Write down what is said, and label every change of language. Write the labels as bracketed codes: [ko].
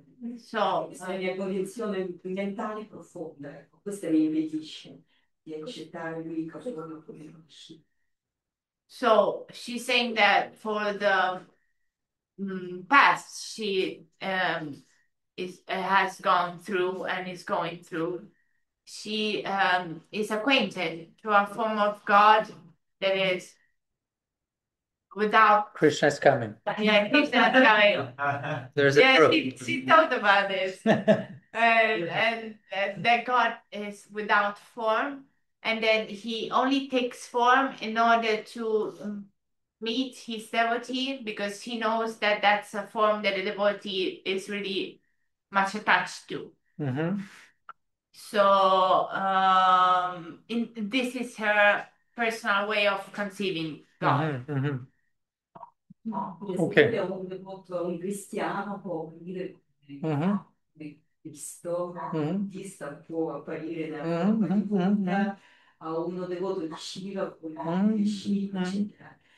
[it] Questa è la mia condizione mentale profonda, ecco, questa mi impedisce di accettare l'unica forma come conosci. [en] So she's saying that for the past she has gone through and is going through. She is acquainted to a form of God that is without. Krishna is coming. Yeah, Krishna's coming. There's a Yeah, proof. she talked about this. And that God is without form, and then he only takes form in order to meet his devotee because he knows that that's a form that the devotee is really much attached to. So this is her personal way of conceiving God. [it] No, per esempio, un devoto, un cristiano può apparire Cristo, l'artista può apparire nella forma di Buddha, a uno devoto di Shiva può apparire Shiva, eccetera.